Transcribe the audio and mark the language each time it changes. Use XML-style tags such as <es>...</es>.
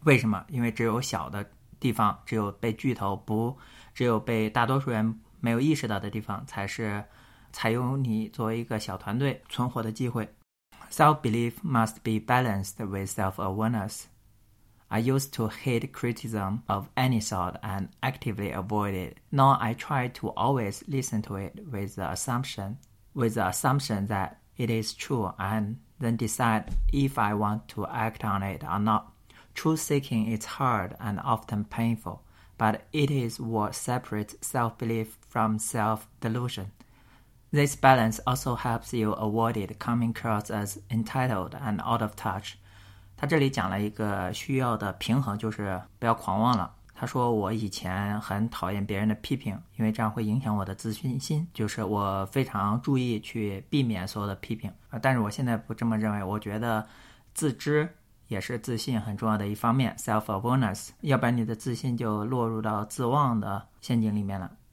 <zh>为什么？因为只有小的地方，只有被巨头不，只有被大多数人没有意识到的地方，才有你作为一个小团队存活的机会。</zh> <en>Self-belief must be balanced with self-awareness. I used to hate criticism of any sort and actively avoid it. Now I try to always listen to it with the assumption thatIt is true, and then decide if I want to act on it or not. Truth seeking is hard and often painful, but it is what separates self-belief from self-delusion. This balance also helps you avoid coming across as entitled and out of touch.</en> <zh>他这里讲了一个需要的平衡，就是不要狂妄了。他说我以前很讨厌别人的批评，因为这样会影响我的自信心，就是我非常注意去避免所有的批评，但是我现在不这么认为。我觉得自知也是自信很重要的一方面， self-awareness， 要不然你的自信就落入到自忘的陷阱里面了。</zh>